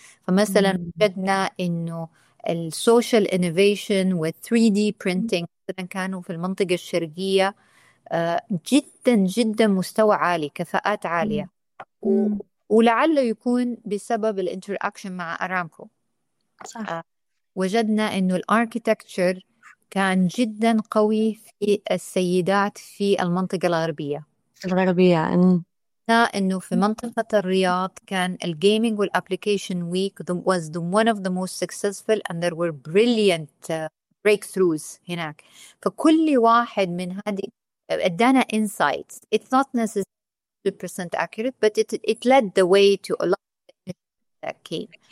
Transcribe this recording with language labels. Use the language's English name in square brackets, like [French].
[Arabic] فمثلا وجدنا إنه السوشيال انوفيشن و3D برينتينج كانوا في المنطقة الشرقية جدا جدا مستوى عالي، كفاءات عالية، ولعله يكون بسبب الانتراكشن مع أرامكو. صح. وجدنا إنه الاركيتكتشر كان جدا قوي في السيدات في المنطقة الغربية. الغربية إنه في منطقة الرياض كان الـ [English] Gaming والـ Application Week was one of the most successful and there were brilliant breakthroughs [Arabic] هناك. فكل واحد من هذه أدانا insights. [English] It's not necessarily 100% accurate, but it led the way to a lot of things that came.